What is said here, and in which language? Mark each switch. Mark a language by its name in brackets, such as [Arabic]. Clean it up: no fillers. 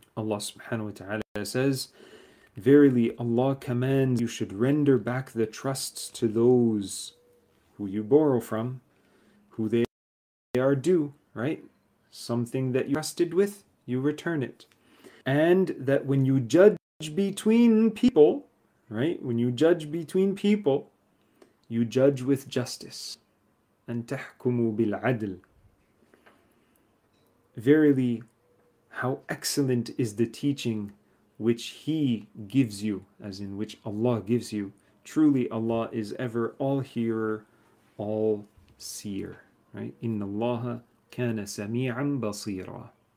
[English] Allah subhanahu wa ta'ala says, verily Allah commands you should render back the trusts to those who you borrow from, who they are due, right? Something that you trusted with, you return it. And that when you judge between people, right? When you judge between people, you judge with justice. [Arabic] And تَحْكُمُوا بِالْعَدْلِ. [English] Verily, how excellent is the teaching which He gives you, as in which Allah gives you. Truly Allah is ever all hearer, all seer, right? [Arabic] Inna Allaha kana sami'an basira.